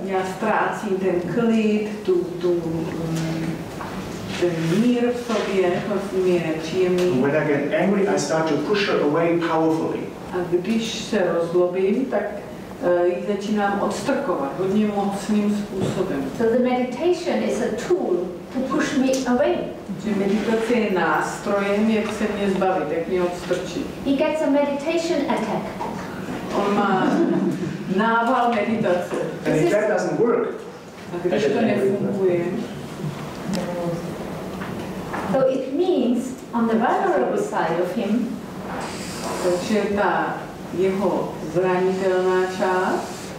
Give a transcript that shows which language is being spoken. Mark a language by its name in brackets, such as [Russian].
[Czech] Já ztrácím ten klid, ten mír v sobě, mi je nepříjemný. [English] When I get angry, I start to push her away powerfully. [Czech] A když se rozlobím, tak ji začínám odstrkovat hodně mocným způsobem. [English] So the meditation is a tool to push me away. [Czech] Že meditace je nástrojem, jak se mě zbavit, jak mě odstrčit. [English] He gets a meditation attack. [Czech] On má nával meditace. [English] And if that doesn't work, [Czech] a když to nefunguje. [English] So it means on the vulnerable side of him. [Czech] Takže ta jeho zranitelná část.